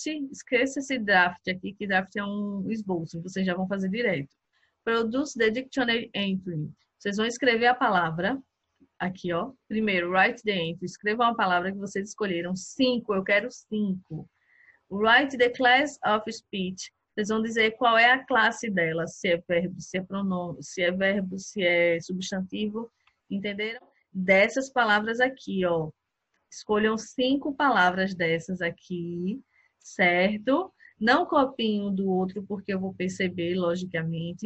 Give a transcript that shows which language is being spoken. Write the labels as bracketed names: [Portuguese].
[Portuguese] Esqueça esse draft aqui, que draft é um esboço. Vocês já vão fazer direito. [English] Produce the dictionary entry. [Portuguese] Vocês vão escrever a palavra. Aqui, ó. Primeiro, [English] write the entry. [Portuguese] Escreva uma palavra que vocês escolheram. Cinco, eu quero cinco. [English] Write the class of speech. [Portuguese] Vocês vão dizer qual é a classe dela, se é verbo, se é pronome, se é verbo, se é substantivo. Entenderam? Dessas palavras aqui, ó. Escolham cinco palavras dessas aqui, certo? Não copiem um do outro, porque eu vou perceber, logicamente.